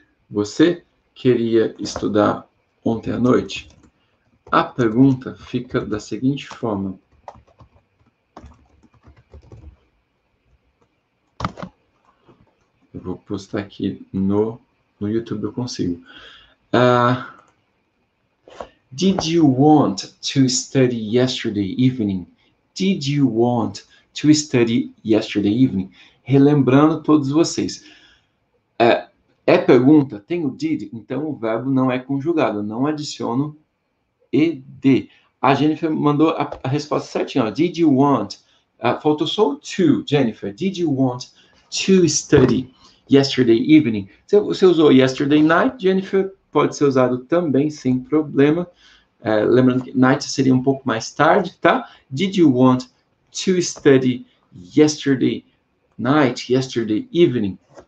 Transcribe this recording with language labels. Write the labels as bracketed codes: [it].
[pt] Você queria estudar ontem à noite? A pergunta fica da seguinte forma. Eu vou postar aqui no YouTube, eu consigo. [en] Did you want to study yesterday evening? Did you want to study yesterday evening? [pt] Relembrando todos vocês. É pergunta, tem o did, então o verbo não é conjugado, não adiciono ed. A Jennifer mandou a resposta certinha, ó. [en] Did you want? [pt] Faltou só o to, Jennifer. [en] Did you want to study yesterday evening? [pt] Você usou yesterday night, Jennifer? Pode ser usado também, sem problema. Lembrando que night seria um pouco mais tarde, tá? [en] Did you want to study yesterday night, yesterday evening?